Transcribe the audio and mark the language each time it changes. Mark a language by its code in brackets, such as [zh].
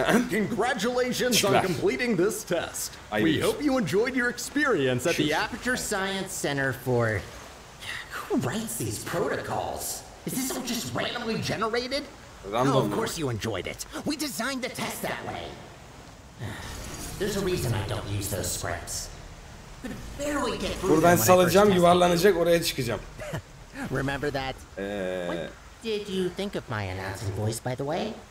[en] Congratulations on completing this test. We hope you enjoyed your experience at the Aperture Science Center for... Who writes these protocols? Is this all just randomly generated? Random. Oh, of course you enjoyed it. We designed the test that way. There's a reason I don't use those scripts. Could barely get through. [tr] Buradan salacağım, yuvarlanacak, oraya çıkacağım. [en] Remember that? What did you think of my announcing voice, by the way?